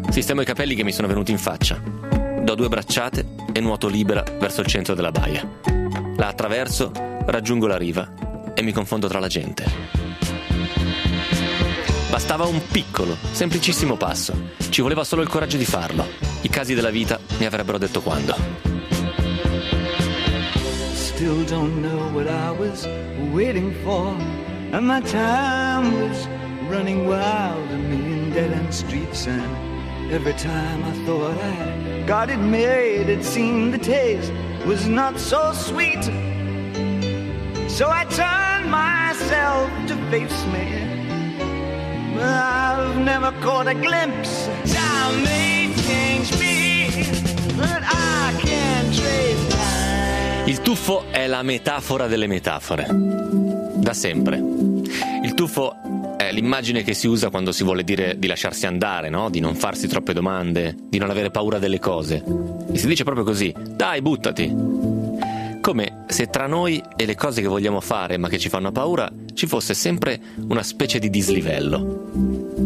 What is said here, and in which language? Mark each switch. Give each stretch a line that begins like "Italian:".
Italian: Sistemo i capelli che mi sono venuti in faccia. Do due bracciate e nuoto libera verso il centro della baia. La attraverso, raggiungo la riva e mi confondo tra la gente. Bastava un piccolo, semplicissimo passo. Ci voleva solo il coraggio di farlo. I casi della vita mi avrebbero detto quando.
English: Still don't know what I was waiting for. And my time was running wild. A million dead end streets. And every time I thought I got it made, it seemed the taste was not so sweet. So I turned myself to face me. I've never caught a glimpse. Time may change me, but I can't trace time.
Italian: Il tuffo è la metafora delle metafore. Da sempre. Il tuffo è l'immagine che si usa quando si vuole dire di lasciarsi andare, no? Di non farsi troppe domande, di non avere paura delle cose. E si dice proprio così: dai, buttati. Come se tra noi e le cose che vogliamo fare ma che ci fanno paura ci fosse sempre una specie di dislivello.